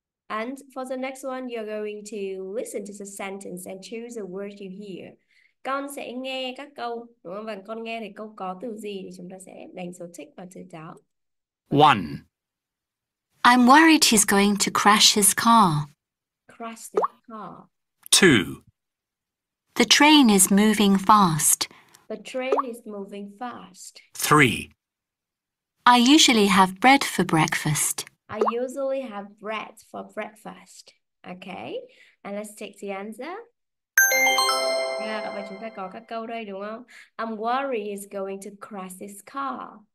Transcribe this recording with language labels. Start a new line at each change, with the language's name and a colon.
English: And for the next one, you're going to listen to the sentence and choose the word you hear.
Vietnamese: Con sẽ nghe các câu, đúng không? Và con nghe thì câu có từ gì thì chúng ta sẽ đánh số tích vào từ đó.
English: One. I'm worried he's going to crash his car. Crash the car. Two. The train is moving fast. The train is moving fast. Three. I usually have bread for breakfast. I usually have bread for breakfast. Okay, and let's take the answer.
Vietnamese: Yeah, và chúng ta có các câu đây đúng không?
English: I'm worried he's going to crash his car.